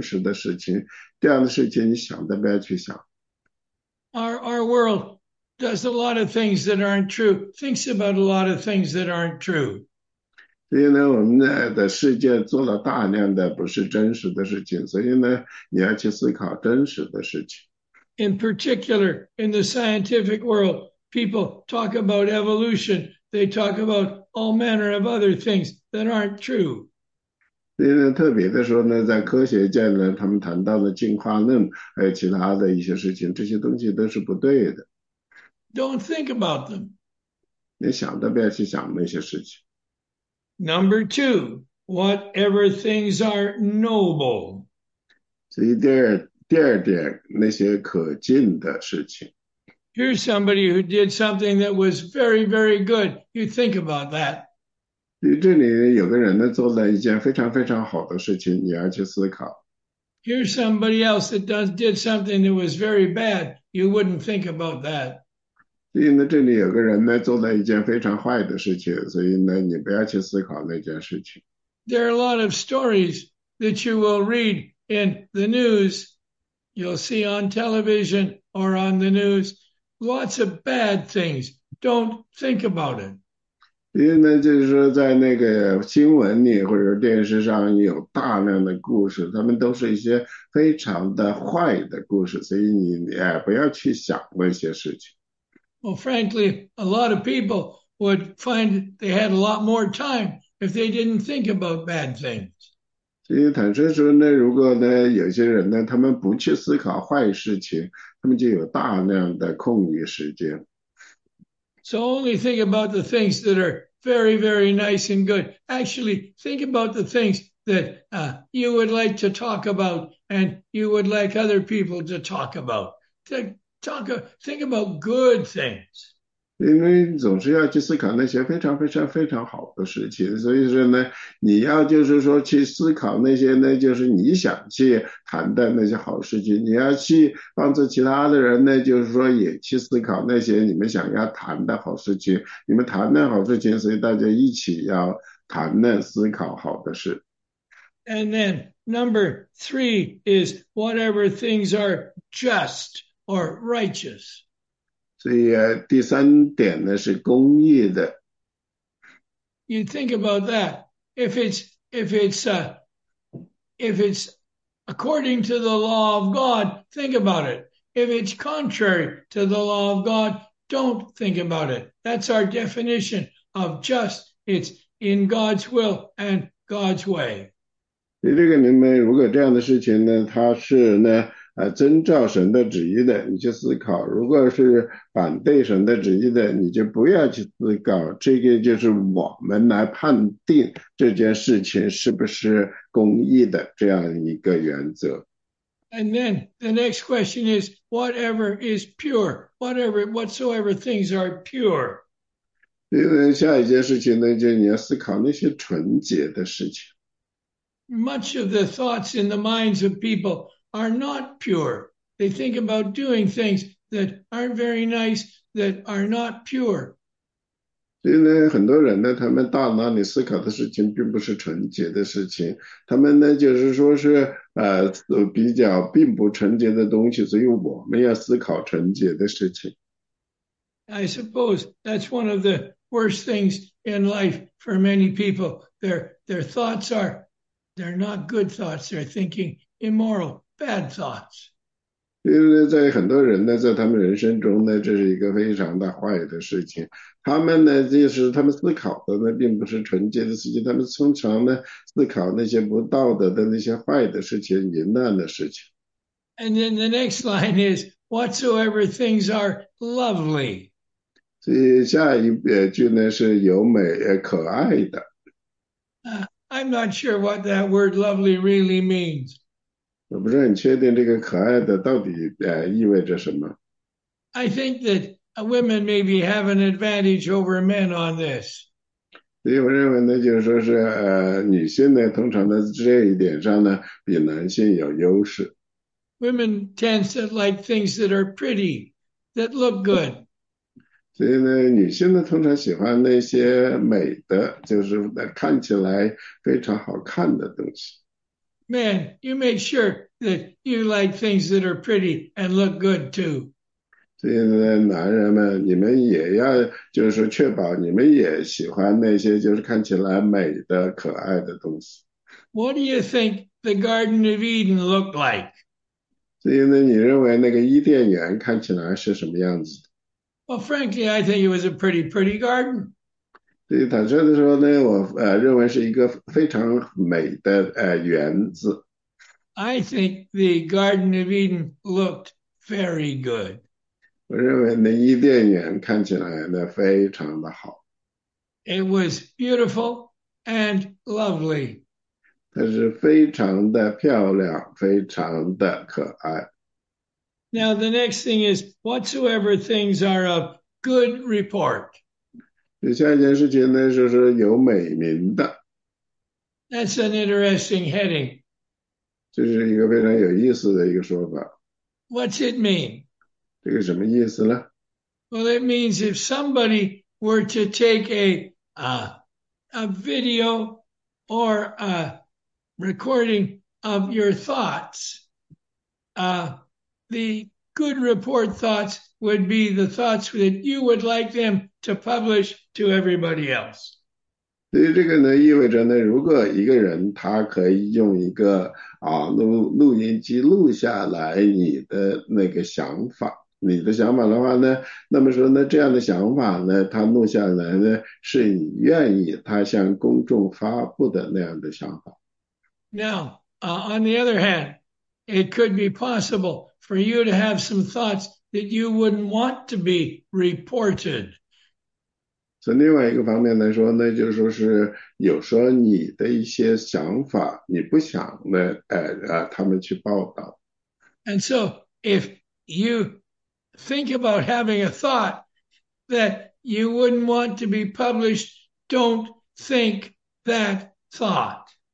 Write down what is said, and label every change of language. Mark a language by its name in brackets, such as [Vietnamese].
[Chinese] 所以呢，就是说是人们呢，通常呢做一些不诚实的事情，这样的事情你想都不要去想。 [English] Our world does a lot of things that aren't true, thinks about a lot of things that aren't true. [Chinese] 所以呢，我们的世界做了大量的不是真实的事情，所以呢，你要去思考真实的事情。 [English] In particular, in the scientific world, people talk about evolution. They talk about all manner of other things that aren't true. [Chinese] 特别的时候呢，在科学界呢，他们谈到的进化论，还有其他的一些事情，这些东西都是不对的。 [English] Don't think about them. [Chinese] 你想都不要去想那些事情。 [English] Number two, whatever things are noble. [Chinese] 所以第二点，那些可敬的事情。 [English] Here's somebody who did something that was very, very good. You think about that. [Chinese] 这里有个人呢，做了一件非常非常好的事情，你要去思考。 [English] Here's somebody else that does did something that was very bad. You wouldn't think about that. [Chinese] 所以呢，这里有个人呢，做了一件非常坏的事情，所以呢，你不要去思考那件事情。 [English] There are a lot of stories that you will read in the news. You'll see on television or on the news lots of bad things. Don't think about it. [Chinese] 因为呢，就是说，在那个新闻里或者电视上有大量的故事，他们都是一些非常的坏的故事，所以你哎，不要去想那些事情。 [English] Well, frankly, a lot of people would find they had a lot more time if they didn't think about bad things. [Chinese] 所以坦率说呢，如果呢有些人呢，他们不去思考坏事情，他们就有大量的空余时间。 [English] So only think about the things that are very, very nice and good. Actually, think about the things that you would like to talk about and you would like other people to talk about. Think about good things. [Chinese] 因为总是要去思考那些非常非常非常好的事情，所以说呢，你要就是说去思考那些呢，就是你想去谈的那些好事情，你要去帮助其他的人呢，就是说也去思考那些你们想要谈的好事情，你们谈的好事情，所以大家一起要谈的思考好的事。 [English] And then number three is whatever things are just. Or righteous. [Chinese] 所以第三点呢是公益的。 [English] You think about that. If it's according to the law of God, think about it. If it's contrary to the law of God, don't think about it. That's our definition of just. It's in God's will and God's way. [Chinese] 你这个里面如果这样的事情呢，它是呢。遵照神的旨意的，你去思考；如果是反对神的旨意的，你就不要去思考。这个就是我们来判定这件事情是不是公义的这样一个原则。 [English] And then the next question is, whatever is pure, whatsoever things are pure. [Chinese] 因为下一件事情呢，就是你要思考那些纯洁的事情。 [English] Much of the thoughts in the minds of people are not pure. They think about doing things that aren't very nice, that are not pure. [Chinese] 因为很多人呢，他们大脑里思考的事情并不是纯洁的事情，他们呢就是说是比较并不纯洁的东西，所以我们要思考纯洁的事情。 [English] I suppose that's one of the worst things in life for many people. They're not good thoughts. They're thinking immoral, bad thoughts. [Chinese] 因为在很多人呢，在他们人生中呢，这是一个非常的坏的事情。他们呢，就是他们思考的呢，并不是纯洁的事情，他们通常呢，思考那些不道德的那些坏的事情、淫乱的事情。 [English] And then the next line is, whatsoever things are lovely. [Chinese] 所以下一句呢，是优美、可爱的。 [English] I'm not sure what that word lovely really means. [Chinese] 我不是很确定这个可爱的到底意味着什么。 [English] I think that women maybe have an advantage over men on this. [Chinese] 所以我认为呢，就是说是女性呢，通常在这一点上呢，比男性有优势。 [English] Women tend to like things that are pretty, that look good. [Chinese] 所以呢，女性呢，通常喜欢那些美的，就是看起来非常好看的东西。 [English] Man, you make sure that you like things that are pretty and look good too. [Chinese] 所以呢，男人们，你们也要就是确保你们也喜欢那些就是看起来美的、可爱的东西。 [English] What do you think the Garden of Eden looked like? [Chinese] 所以呢，你认为那个伊甸园看起来是什么样子 [English] Well, frankly, I think it was a pretty garden. [Chinese] 的？所以坦率的说呢，我认为是一个非常美的园子。 [English] I think the Garden of Eden looked very good. [Chinese] 我认为那伊甸园看起来呢非常的好， [English] It was beautiful and lovely. [Chinese] 它是非常的漂亮，非常的可爱。 [English] Now, the next thing is whatsoever things are of good report. [Chinese] 下一件事情呢，就是有美名的。 [English] That's an interesting heading. [Chinese] 这是一个非常有意思的一个说法。 [English] What's it mean? [Chinese] 这个什么意思呢？ [English] Well, it means if somebody were to take a video or a recording of your thoughts, the good report thoughts would be the thoughts that you would like them to publish to everybody else. [Chinese] 所以这个呢，意味着呢，如果一个人他可以用一个录音机录下来你的那个想法，你的想法的话呢，那么说呢，这样的想法呢，他录下来呢，是你愿意他向公众发布的那样的想法。 [English] Now, on the other hand, it could be possible for you to have some thoughts that you wouldn't want to be reported. [Chinese] 从另外一个方面来说呢，就是说是有时候你的一些想法，你不想呢，他们去报道。 [English] And so, if you think about having a thought that you wouldn't want to be published, don't think that thought.